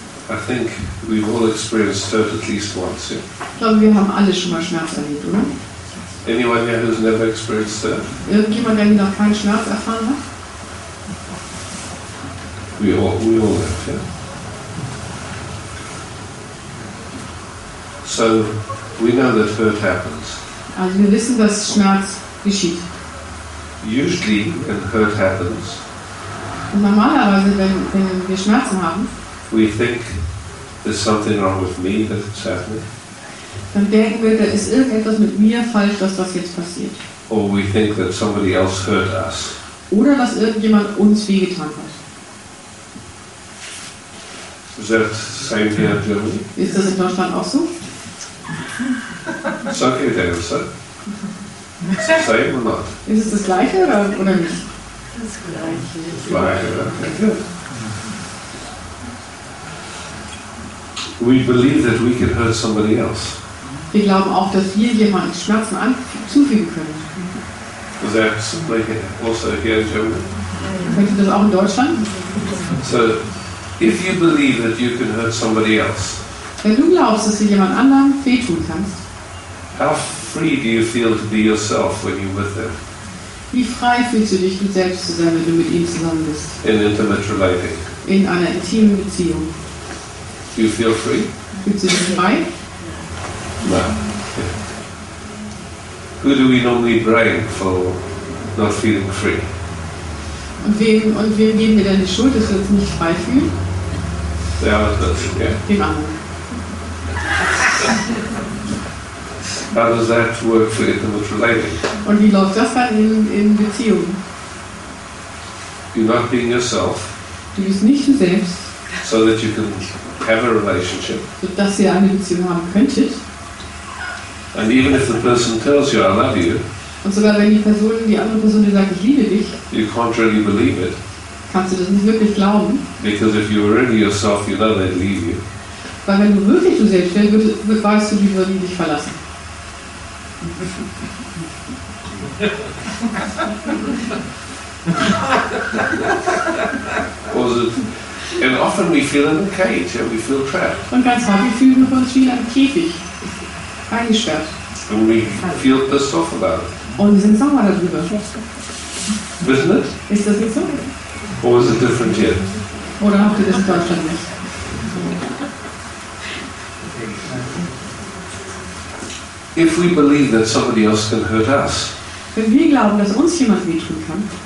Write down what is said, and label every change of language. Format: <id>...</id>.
<en>I think we've all experienced hurt at least once. Yeah.</en> <de>Ich glaube, wir haben alle schon mal Schmerz erlebt, oder?</de> <en>Anyone here who's never experienced hurt?</en> <de>Irgendjemand, der noch keinen Schmerz erfahren hat?</de> <en>We all have, yeah. So we know that hurt happens.</en> <de>Also wir wissen, dass Schmerz geschieht.</de> <en>Usually when hurt happens.</en> <de>Und normalerweise, wenn wir Schmerzen haben.</de> <en>We think there's something wrong with me that it's happening.</en> <de>Dann denken wir, da ist irgendetwas mit mir falsch, dass das jetzt passiert.</de> <en>Or we think that somebody else hurt us.</en> <de>Oder dass irgendjemand uns wehgetan hat.</de> <en>Is that same here in Germany?</en> <de>Ist das in Deutschland auch so?</de> <en>It's okay with him, sir. Same or not?</en> <de>Ist es das Gleiche oder nicht? Das Gleiche.</de> <en>Gleiche, okay, good. We believe that we can hurt somebody else.</en> <de>Wir glauben auch, dass wir jemanden Schmerzen zufügen können.</de> <en>Is that like also here in Germany?</en> <de>Könnt ihr das auch in Deutschland?</de> <en>So, if you believe that you can hurt somebody else,</en> <de>wenn du glaubst, dass du jemand anderem wehtun kannst,</de> <en>how free do you feel to be yourself when you're with them?</en> <de>Wie frei fühlst du dich, du selbst zu sein, wenn du mit ihm zusammen bist?</de> <en>In intimate relating.</en> <de>In einer intimen Beziehung.</de> <en>Do you feel free?</en> <de>Fühlst du dich frei?</de> <en>No. Yeah. Who do we normally blame for not feeling free?</en> <de>Und wem geben wir denn die Schuld, dass wir uns nicht frei fühlen?</de> <en>The others, yeah.</en> <de>Dem anderen.</de> <en>How does that work for intimate relating?</en> <de>Und wie läuft das dann in Beziehung?</de> <en>You're not being yourself.</en> <de>Du bist nicht du selbst.</de> <en>So that you can have a relationship.</en> <de>So dass ihr eine Beziehung haben könntet.</de> <en>And even if the person tells you I love you.</en> <de>Und sogar wenn die andere Person sagt ich liebe dich.</de> <en>You can't really believe it.</en> <de>Kannst du das nicht wirklich glauben?</de> <en>Because if you were really yourself, you know they'd leave you.</en> <de>Weil wenn du wirklich du selbst wärst, weißt du, die würden dich verlassen.</de> <en>And often we feel in a cage, yeah, we feel trapped.</en> <de>Und ganz häufig fühlen wir uns wie in einem Käfig, eingesperrt.</de> <en>And we feel pissed off about it.</en> <de>Und wir sind sauer darüber.</de> <en>Isn't it?</en> <de>Ist das nicht so?</de> <en>Or is it different here?</en> <de>Oder habt ihr das in Deutschland nicht?</de> <en>If we believe that somebody else can hurt us,</en> <de>wenn wir glauben, dass uns jemand wehtun kann,</de>